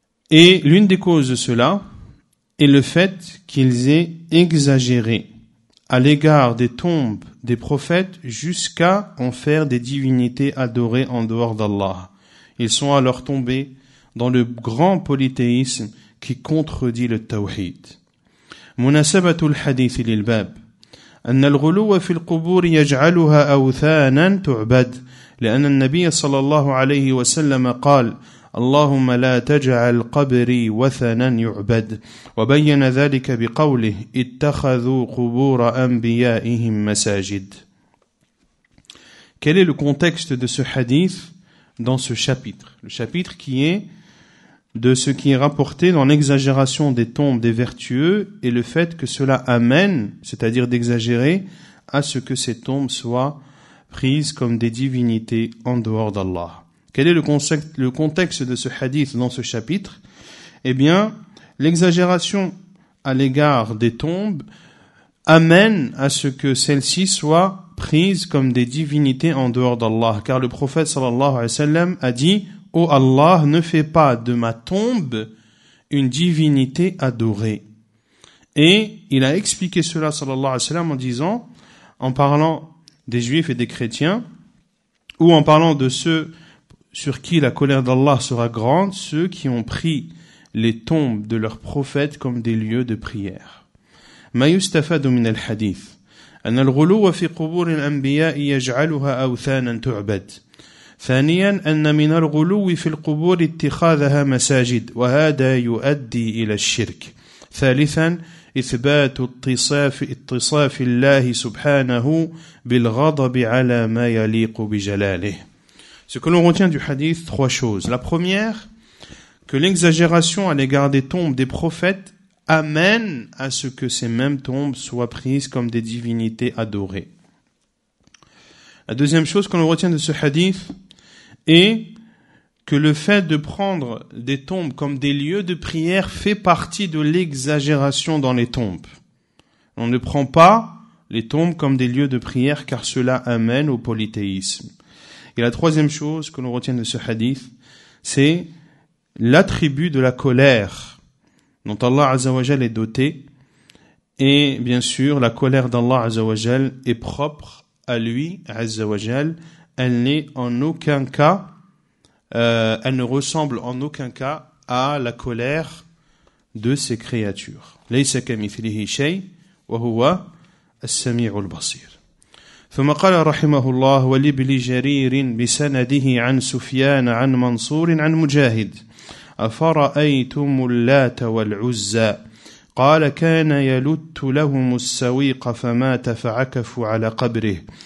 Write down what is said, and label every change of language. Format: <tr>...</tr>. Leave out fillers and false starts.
<fr>Et l'une des causes de cela est le fait qu'ils aient exagéré à l'égard des tombes des prophètes jusqu'à en faire des divinités adorées en dehors d'Allah. Ils sont alors tombés dans le grand polythéisme qui contredit le tawhid.</fr> <ar>Munasabatul hadith lilbab. أن الغلو في القبور يجعلها أوثانا تعبد لأن النبي صلى الله عليه وسلم قال اللهم لا تجعل قبري وثنا يعبد وبين ذلك بقوله اتخذوا قبور أنبيائهم مساجد.</ar> <fr>Quel est le contexte de ce hadith dans ce chapitre? Le chapitre qui est de ce qui est rapporté dans l'exagération des tombes des vertueux et le fait que cela amène, c'est-à-dire d'exagérer, à ce que ces tombes soient prises comme des divinités en dehors d'Allah. Quel est le contexte de ce hadith dans ce chapitre? Eh bien, l'exagération à l'égard des tombes amène à ce que celles-ci soient prises comme des divinités en dehors d'Allah. Car le prophète sallallahu alayhi wa sallam a dit « Oh Allah, ne fais pas de ma tombe une divinité adorée. » Et il a expliqué cela, sallallahu alayhi wa sallam, en disant, en parlant des juifs et des chrétiens, ou en parlant de ceux sur qui la colère d'Allah sera grande, ceux qui ont pris les tombes de leurs prophètes comme des lieux de prière.</fr> <ar>« Ma yustafadu min al-hadith, an al-ghuluwa fi qubur al-anbiya yaj'aluha awthanan tu'bad » ثانيا أن من الغلو في القبور اتخاذها مساجد وهذا يؤدي إلى الشرك ثالثا إثبات اتصاف الله سبحانه بالغضب على ما يليق بجلاله.</ar> <fr>Ce que l'on retient du hadith, trois choses. La première, que l'exagération à l'égard des tombes des prophètes amène à ce que ces mêmes tombes soient prises comme des divinités adorées. La deuxième chose que l'on retient de ce hadith est que le fait de prendre des tombes comme des lieux de prière fait partie de l'exagération dans les tombes. On ne prend pas les tombes comme des lieux de prière car cela amène au polythéisme. Et la troisième chose que l'on retient de ce hadith, c'est l'attribut de la colère dont Allah Azza wa Jal est doté. Et bien sûr, la colère d'Allah Azza wa Jal est propre à lui, Azza wa Jal, elle n'est en aucun cas, elle ne ressemble en aucun cas à la colère de ses créatures.</fr> <ar>Laysa kamithlihi shay, wa huwa as-sami'ul basir. ثم قال رحمه الله: ولابن جرير بسنده عن سفيان عن منصور عن مجاهد: أفرأيتم اللات والعزى؟ قال: كان يلت لهم السويق فمات فعكفوا على قبره.</ar>